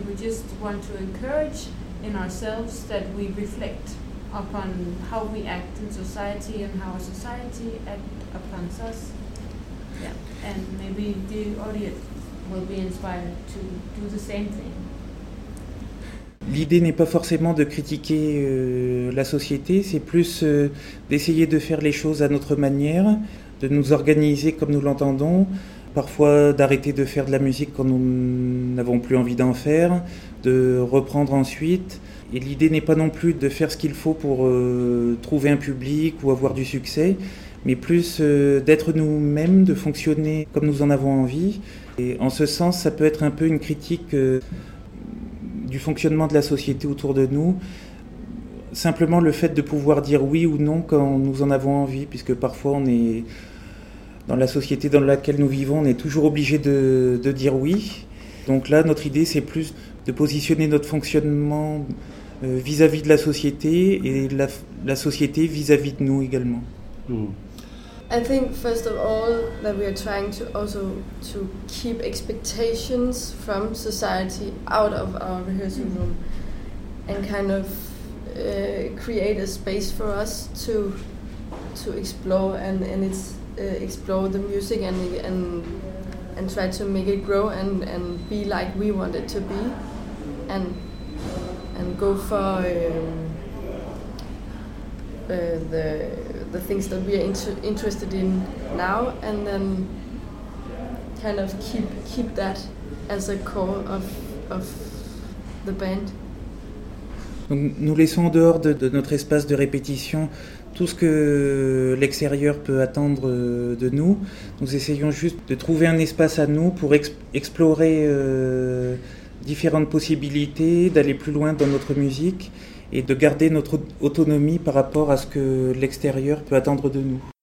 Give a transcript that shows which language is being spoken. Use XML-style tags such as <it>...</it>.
<en>We just want to encourage in ourselves that we reflect upon how we act in society and how our society acts upon us. Yeah. And maybe the audience will be inspired to do the same thing.</en> <fr>L'idée n'est pas forcément de critiquer la société, c'est plus d'essayer de faire les choses à notre manière, de nous organiser comme nous l'entendons, parfois d'arrêter de faire de la musique quand nous n'avons plus envie d'en faire, de reprendre ensuite. Et l'idée n'est pas non plus de faire ce qu'il faut pour trouver un public ou avoir du succès, mais plus d'être nous-mêmes, de fonctionner comme nous en avons envie. Et en ce sens, ça peut être un peu une critique du fonctionnement de la société autour de nous. Simplement le fait de pouvoir dire oui ou non quand nous en avons envie, puisque parfois on est dans la société dans laquelle nous vivons, on est toujours obligé de dire oui. Donc là, notre idée, c'est plus de positionner notre fonctionnement vis-à-vis de la société et la société vis-à-vis de nous également.</fr> <en>I think first of all that we are trying to also to keep expectations from society out of our rehearsal room and kind of create a space for us to explore and explore the music and try to make it grow and be like we want it to be and go for the things that we are interested in now, and then kind of keep that as a core of the band.</en> <fr>Donc, nous laissons dehors de notre espace de répétition tout ce que l'extérieur peut attendre de nous. Nous essayons juste de trouver un espace à nous pour explorer différentes possibilités, d'aller plus loin dans notre musique et de garder notre autonomie par rapport à ce que l'extérieur peut attendre de nous.</fr>